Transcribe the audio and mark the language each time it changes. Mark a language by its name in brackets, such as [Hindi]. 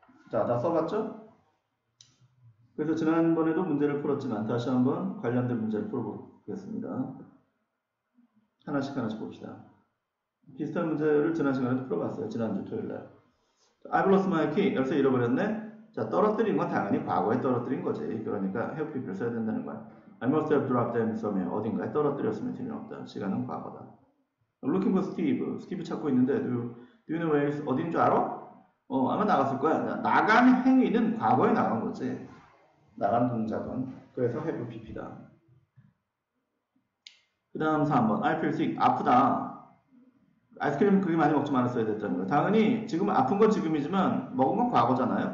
[Korean] 자, 다 써봤죠? 그래서 지난번에도 문제를 풀었지만 다시 한번 관련된 문제를 풀어보겠습니다. 하나씩 하나씩 봅시다. 비슷한 문제를 지난 시간에도 풀어봤어요. 지난주 토요일날. [English] I've lost my key. [Korean] 열쇠 잃어버렸네? 자, 떨어뜨린 건 당연히 과거에 떨어뜨린 거지. 그러니까 have pp를 써야 된다는 거야. [English] I must have dropped them somewhere. [Korean] 어딘가에 떨어뜨렸으면 틀림없다. 시간은 과거다. [English] Looking for Steve. Steve [Korean] 찾고 있는데, [English] do you know where he is? [Korean] 어딘 줄 알아? 아마 나갔을 거야. 나간 행위는 과거에 나간 거지. 나간 동작은. 그래서 have pp다. 그 다음 3번. [English] I feel sick. [Korean] 아프다. 아이스크림 그렇게 많이 먹지 말았어야 됐다는 거야. 당연히 지금 아픈 건 지금이지만 먹은 건 과거잖아요.